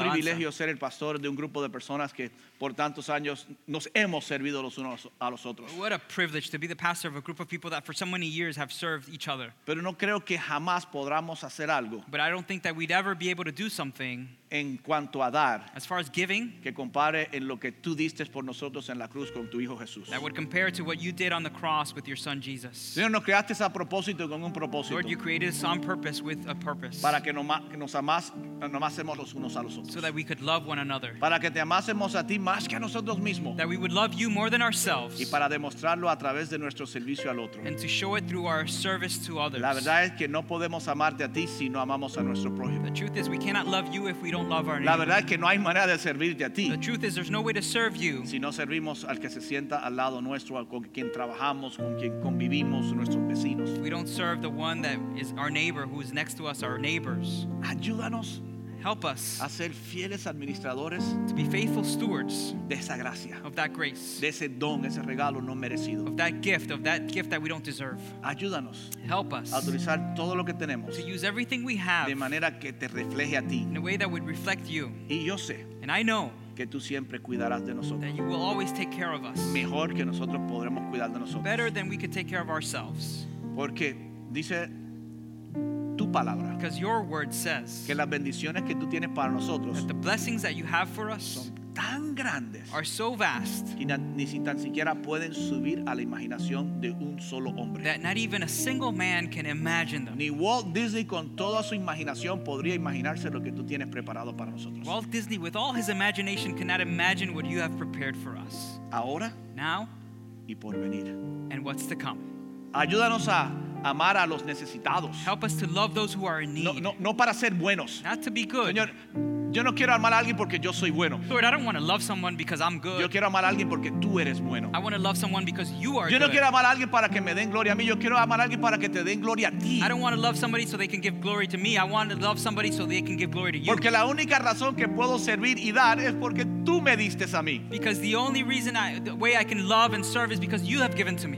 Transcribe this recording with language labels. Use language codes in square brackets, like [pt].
[es] Qué privilegio ser el pastor de un grupo de personas que por tantos años nos hemos servido los unos a los otros. [en] What a privilege to be the pastor of a group of people that for so many years have served each other. [es] Pero no creo que jamás podamos hacer algo. [en] But I don't think that we'd ever be able to do something [es] en cuanto a dar, [en] as far as giving, [es] que compare en lo que tú diste por nosotros en la cruz con tu hijo Jesús. [en] That would compare to what you did on the cross with your son Jesus. [es] Señor, nos creaste a propósito con un propósito. [en] Lord, you created us on purpose with a purpose. [es] Para que nos amásemos los unos a los otros. [en] So that we could love one another. [es] Para que te amásemos a ti más que a nosotros mismos. [en] That we would love you more than ourselves. [es] Y para demostrarlo a través de nuestro servicio al otro. [en] And to show it through our service to others. [es] La verdad es que no podemos amarte a ti si no amamos a nuestro prójimo. [en] The truth is we cannot love you if we don't love our neighbor. [es] La verdad es que no hay manera de servirte a ti. [en] The truth is there's no way to serve you. [es] Si no servimos al que se sienta al lado nuestro, con quien trabajamos, con quien convivimos, nuestros vecinos. [en] If we don't serve the one that is our neighbor, who is next to us, our neighbors. [es] Ayúdanos. [en] Help us [es] a ser fieles administradores [en] to be faithful stewards [es] de esa gracia, [en] of that grace, [es] de ese don, ese regalo no merecido, [en] of that gift that we don't deserve. [es] Ayúdanos. [en] Help us [es] a utilizar todo lo que tenemos [en] to use everything we have [es] de manera que te refleje a ti, [en] in a way that would reflect you. [es] Y yo sé, [en] and I know [es] que tú siempre cuidarás de nosotros, [en] that you will always take care of us [es] mejor que nosotros podremos cuidar de nosotros, [en] better than we could take care of ourselves. [es] Porque dice [en] because your word says [es] que las bendiciones que tú tienes para nosotros [en] that the blessings that you have for us [es] son tan grandes [en] are so vast [es] ni tan siquiera pueden subir a la imaginación de un solo hombre, [en] that not even a single man can imagine them. [es] Ni Walt Disney con toda su imaginación podría imaginarse lo que tú tienes preparado para nosotros. [en] Walt Disney with all his imagination cannot imagine what you have prepared for us. [es] Ahora, [en] now, [es] y por venir, [en] and what's to come. [es] Ayúdanos a amar a los necesitados. [en] Help us to love those who are in need. [es] No para ser buenos. [en] Not to be good. [es] Señor, yo no quiero amar a alguien porque yo soy bueno. [en] Lord, I don't want to love someone because I'm good. [es] Yo quiero amar a alguien porque tú eres bueno. [en] I want to love someone because you are [es] yo [en] good. [es] Yo no quiero amar a alguien para que me den gloria a mí. Yo quiero amar a alguien para que te den gloria a ti. [en] I don't want to love somebody so they can give glory to me. I want to love somebody so they can give glory to you. [es] Porque la única razón que puedo servir y dar es porque tú me diste a mí. [en] Because the only reason the way I can love and serve is because you have given to me.